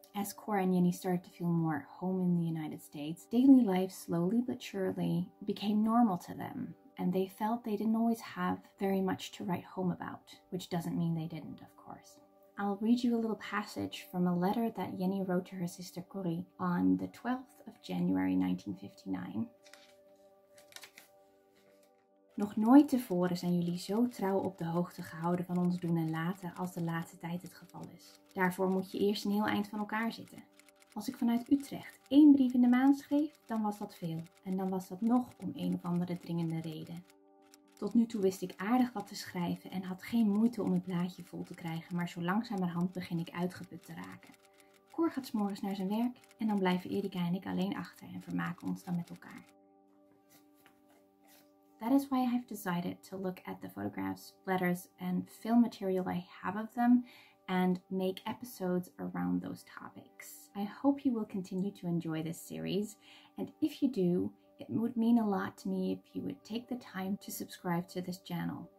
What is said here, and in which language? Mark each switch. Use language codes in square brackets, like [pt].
[en] As Cora and Jenny started to feel more at home in the United States, daily life slowly but surely became normal to them, and they felt they didn't always have very much to write home about, which doesn't mean they didn't, of course. I'll read you a little passage from a letter that Jenny wrote to her sister Cori on the 12th of January 1959. [nl] Nog nooit tevoren zijn jullie zo trouw op de hoogte gehouden van ons doen en laten als de laatste tijd het geval is. Daarvoor moet je eerst een heel eind van elkaar zitten. Als ik vanuit Utrecht één brief in de maand schreef, dan was dat veel. En dan was dat nog om een of andere dringende reden. Tot nu toe wist ik aardig wat te schrijven en had geen moeite om het blaadje vol te krijgen, maar zo langzamerhand begin ik uitgeput te raken. Cor gaat 's morgens naar zijn werk en dan blijven Erika en ik alleen achter en vermaken ons dan met elkaar. [en] That is why I've decided to look at the photographs, letters, and film material I have of them and make episodes around those topics. I hope you will continue to enjoy this series, and if you do, it would mean a lot to me if you would take the time to subscribe to this channel.